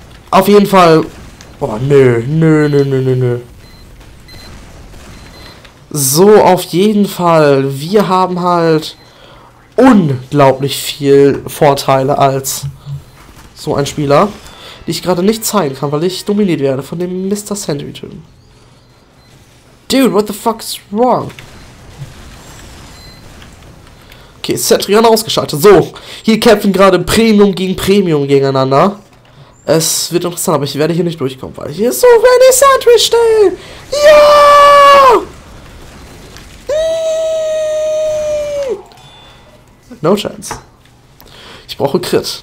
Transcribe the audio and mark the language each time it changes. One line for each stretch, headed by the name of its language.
German: Auf jeden Fall. Oh, nö, nö, nö, nö, nö, nö. So, auf jeden Fall. Wir haben halt unglaublich viel Vorteile als so ein Spieler, die ich gerade nicht zeigen kann, weil ich dominiert werde von dem Mr. Sandy-Typen.
English: Dude, what the fuck's wrong?
German: Okay, Cetrian ausgeschaltet. So, hier kämpfen gerade Premium gegen Premium gegeneinander. Es wird interessant, aber ich werde hier nicht durchkommen, weil hier so wenig Sandwich stehen. Ja!
English: No chance.
German: Ich brauche Crit.